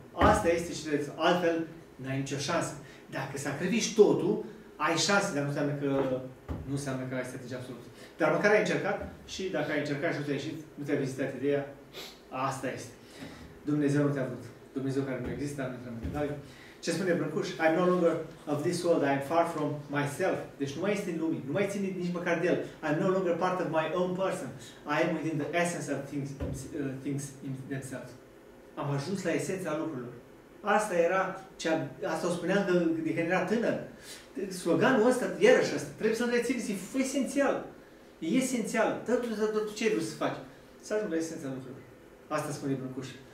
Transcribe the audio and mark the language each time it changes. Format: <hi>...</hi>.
<ro>Asta este și trebuie. Altfel, n-ai nicio șansă. Dacă sacrifici totul, ai șansă, dar nu înseamnă că ai să atingi absolut. Dar măcar ai încercat și dacă ai încercat și nu ți-a ieșit, nu te-a vizitat ideea, asta este. Dumnezeu nu te-a avut. Dumnezeu care nu există, nu intrăm în detaliu. Ce spune Brâncuș?</ro> <en>I'm no longer of this world, I'm far from myself.</en> <ro>Deci nu mai este în lume, nu mai ține nici măcar de el.</ro> <en>I'm no longer part of my own person. I am within the essence of things in themselves.</en> <ro>Am ajuns la esența lucrurilor. Asta era cea, asta o spuneam de când era tânăr. Sloganul ăsta, iarăși ăsta, trebuie să-l rețineți, e esențial. E esențial. Tot ce ai vrut să faci. Să ajungi la esența lucrurilor. Asta spune Brâncuș.</ro>